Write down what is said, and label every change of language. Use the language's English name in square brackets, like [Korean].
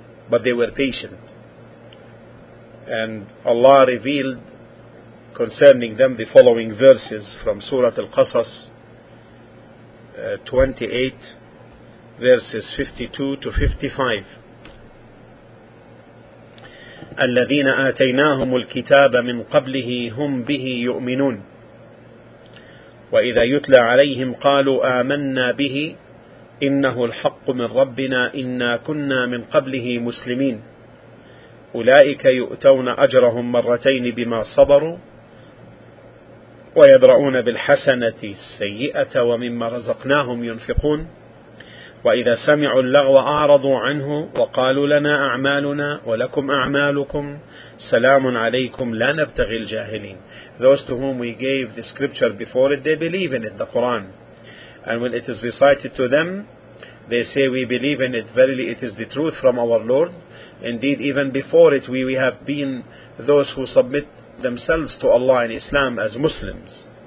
[English] But they were patient. And Allah revealed concerning them the following verses from Surah Al-Qasas 28, verses 52 to 55. [Arabic] الذين آتيناهم الكتاب من قبله هم به يؤمنون وإذا يتلى عليهم قالوا آمنا به إنه الحق من ربنا إنا كنا من قبله مسلمين أولئك يؤتون أجرهم مرتين بما صبروا ويدرؤون بالحسنة السيئة ومما رزقناهم ينفقون وإذا سمعوا اللغو أعرضوا عنه وقالوا لنا أعمالنا ولكم أعمالكم سلام عليكم لا نبتغي الجاهلين. [English] Those to whom we gave the scripture before it, they believe in it, the Quran. And when it is recited to them, they say, we believe in it, verily it is the truth from our Lord. Indeed, even before it, we have been those who submit themselves to Allah in Islam as Muslims.